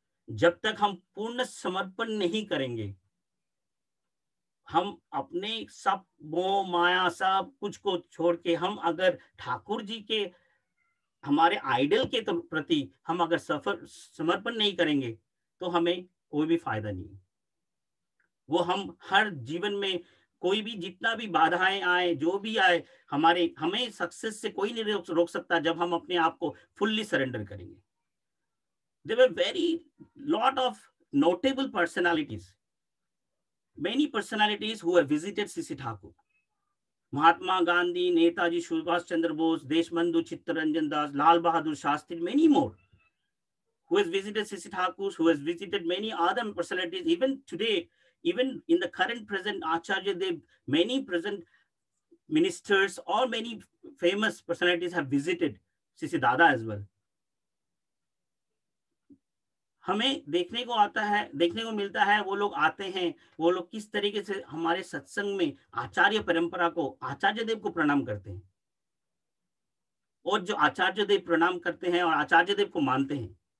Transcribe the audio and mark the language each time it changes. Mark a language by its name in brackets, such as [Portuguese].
[Hindi] जब तक हम पूर्ण समर्पण नहीं करेंगे, हम अपने सब मोह माया सब कुछ को छोड़ के हम अगर ठाकुर जी के हमारे आइडल के प्रति हम अगर सफर समर्पण नहीं करेंगे तो हमें कोई भी फायदा नहीं। वो हम हर जीवन में कोई भी जितना भी बाधाएं आए जो भी आए हमारे हमें सक्सेस से कोई नहीं रोक सकता जब हम अपने आप को फुल्ली सरेंडर करेंगे। [English] There were very lot of notable personalities, many personalities who have visited Sisi Thakur. Mahatma Gandhi, Netaji Subhash Chandra Bose, Deshbandhu Chittaranjan Das, Lal Bahadur Shastri, many more who has visited Sisi Thakur, who has visited many other personalities. Even today, even in the current present Acharya Dev, many present ministers or many famous personalities have visited Sisi Dada as well. [Hindi] हमें देखने को आता है, देखने को मिलता है वो लोग आते हैं, वो लोग किस तरीके से हमारे सत्संग में आचार्य परंपरा को आचार्य देव को प्रणाम करते हैं और जो आचार्य देव प्रणाम करते हैं और आचार्य देव को मानते हैं।